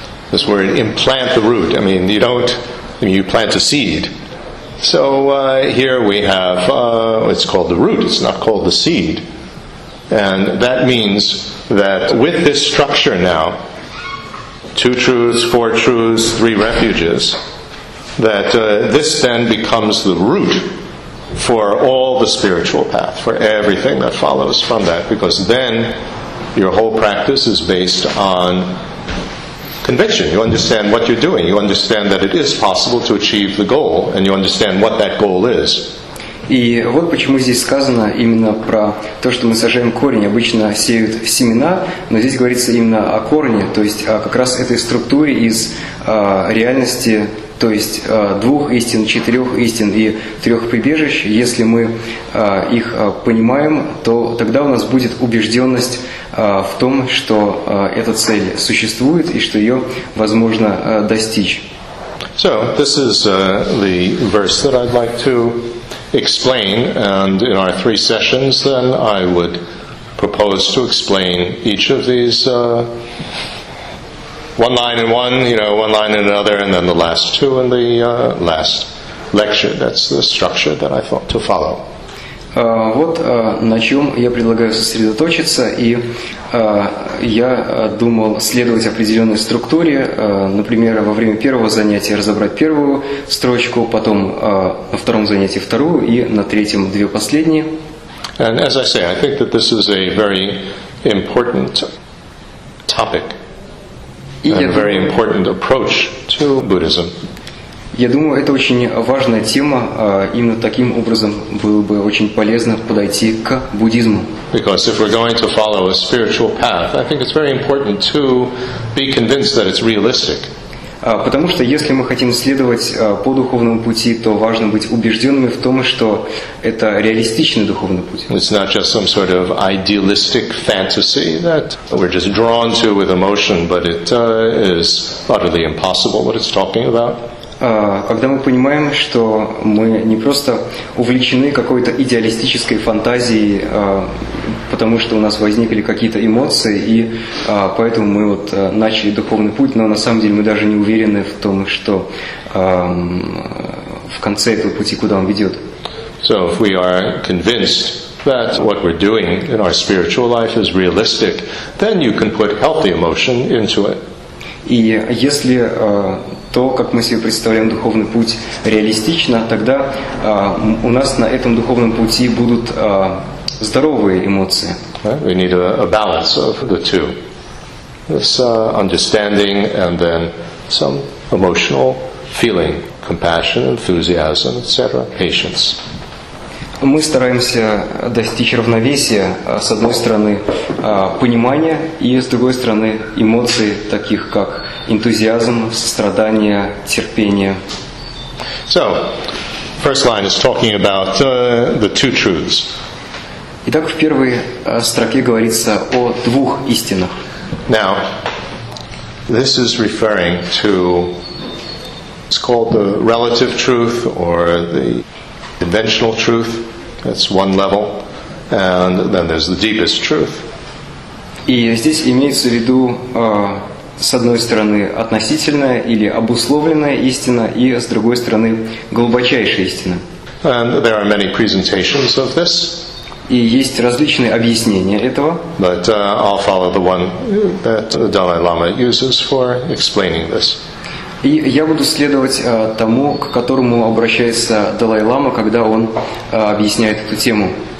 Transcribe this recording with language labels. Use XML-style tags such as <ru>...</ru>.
<en>This word, implant the root. I mean, you don't, I mean, you plant a seed. So here we have, it's called the root, it's not called the seed. And that means that with this structure now, two truths, four truths, three refuges, that this then becomes the root for all the spiritual path, for everything that follows from that, because then your whole practice is based on conviction. You understand what you're doing. You understand that it is possible to achieve the goal, and you understand what that goal is.</en> <ru>И вот почему здесь сказано именно про то, что мы сажаем корень. Обычно сеют семена, но здесь говорится именно о корне, то есть как раз этой структуре из реальности то есть двух истин, четырех истин и трех прибежищ, если мы их понимаем, то тогда у нас будет убежденность в том, что эта цель существует и что ее возможно достичь.</ru> <en>So, this is the verse that I'd like to explain, and in our three sessions, then I would propose to explain each of these one line in one, you know, one line in another, and then the last two in the last lecture. That's the structure that I thought to follow.</en> <ru>Вот на чем я предлагаю сосредоточиться, и я думал следовать определенной структуре, например, во время первого занятия разобрать первую строчку, потом на втором занятии вторую, и на третьем две последние.</ru> <en>And as I say, I think that this is a very important topic and a very important approach to Buddhism.</en> <ru>Я думаю, это очень важная тема, именно таким образом было бы очень полезно подойти к буддизму.</ru> <en>Because if we're going to follow a spiritual path, I think it's very important to be convinced that it's realistic.</en> <ru>Потому что если мы хотим следовать по духовному пути, то важно быть убежденными в том, что это реалистичный духовный путь.</ru> <en>It's not just some sort of idealistic fantasy that we're just drawn to with emotion, but it is utterly impossible what it's talking about.</en> <ru>Когда мы понимаем, что мы не просто увлечены какой-то идеалистической фантазией, потому что у нас возникли какие-то эмоции, и поэтому мы вот начали духовный путь, но на самом деле мы даже не уверены в том, что в конце этого пути, куда он ведет.</ru> <en>So if we are convinced that what we're doing in our spiritual life is realistic, then you can put healthy emotion into it.</en> <ru>И если то, как мы себе представляем духовный путь, реалистично, тогда у нас на этом духовном пути будут здоровые эмоции.</ru> <en>We need a balance of the two. This understanding and then some emotional feeling, compassion, enthusiasm, etc., patience.</en> <ru>Мы стараемся достичь равновесия, с одной стороны, понимания, и с другой стороны, эмоции, таких как энтузиазм, сострадание, терпение.</ru> <en>So, first line is talking about the two truths.</en> <ru>Итак, в первой строке говорится о двух истинах.</ru> <en>Now, this is referring to, it's called the relative truth or the conventional truth. That's one level, and then there's the deepest truth.</en> <ru>И здесь имеется в виду с одной стороны относительная или обусловленная истина, и с другой стороны глубочайшая истина.</ru> <en>And there are many presentations of this.</en> <ru>И есть различные объяснения этого.</ru> <en>But I'll follow the one that the Dalai Lama uses for explaining this.</en> <ru>И я буду следовать тому, к которому обращается Далай-лама, когда он объясняет эту тему.</ru>